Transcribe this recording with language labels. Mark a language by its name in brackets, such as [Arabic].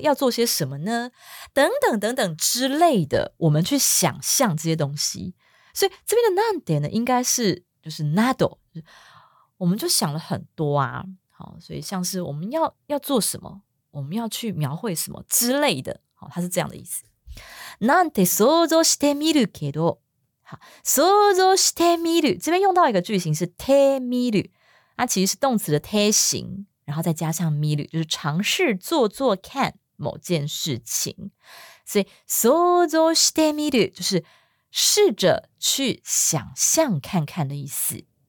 [Chinese] 要做些什么呢？等等等等之类的，我们去想象这些东西。所以这边的难点呢应该是就是 など， 我们就想了很多啊，好，所以像是我们 要做什么，我们要去描绘什么之类的，好，它是这样的意思。 [Japanese] なんて想像してみるけど，想像してみる， [Chinese] 这边用到一个句型是てみる，它其实是动词的て形，然后再加上みる，就是尝试做做看某件事情，所以想像してみる就是试着去想象看看的意思。